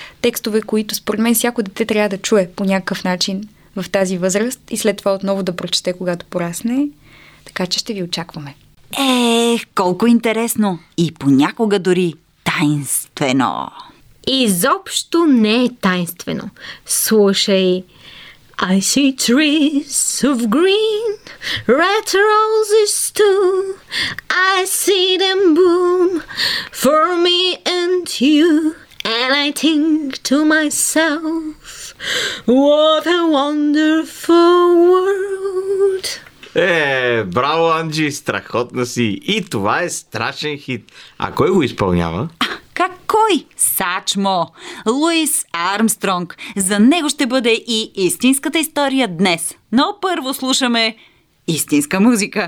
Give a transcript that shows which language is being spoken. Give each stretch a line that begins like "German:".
Bulgarian: Текстове, които според мен всяко дете трябва да чуе по някакъв начин в тази възраст и след това отново да прочете, когато порасне. Така че ще ви очакваме. Ех, колко интересно! И понякога дори тайнствено! Изобщо не е тайнствено. Слушай!
English: I see trees of green, red roses too. I see them bloom for me and you. And I think to myself, what a wonderful world.
Bulgarian: Е, браво, Анджи, страхотна си. И това е страшен хит. А кой го изпълнява? Как кой? Сачмо. Луис Армстронг. За него ще бъде и истинската история днес. Но първо слушаме истинска музика.